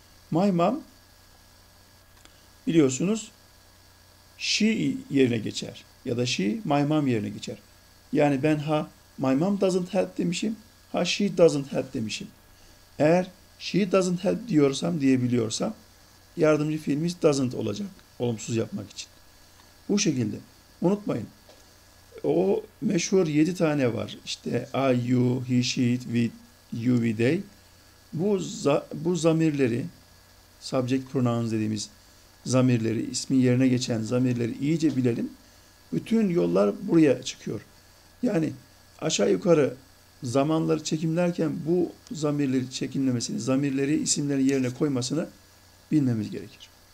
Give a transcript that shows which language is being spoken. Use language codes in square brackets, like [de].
[en] My mom [tr] biliyorsunuz [en] she [tr] yerine geçer ya da [en] she my mom [tr] yerine geçer. Yani ben ha [en] my mom doesn't help [tr] demişim, ha [en] she doesn't help [tr] demişim. Eğer [en] she doesn't help [tr] diyorsam, diyebiliyorsam yardımcı fiilimiz doesn't olacak olumsuz yapmak için. Bu şekilde unutmayın. O meşhur 7 tane var. İşte [en] I, you, he, she, it, we, you, we, they. [tr] Bu zamirleri, [en] subject pronouns [tr] dediğimiz zamirleri, ismin yerine geçen zamirleri iyice bilelim. Bütün yollar buraya çıkıyor. Yani aşağı yukarı zamanları çekimlerken bu zamirleri çekimlemesini, zamirleri isimlerin yerine koymasını bilmemiz gerekir.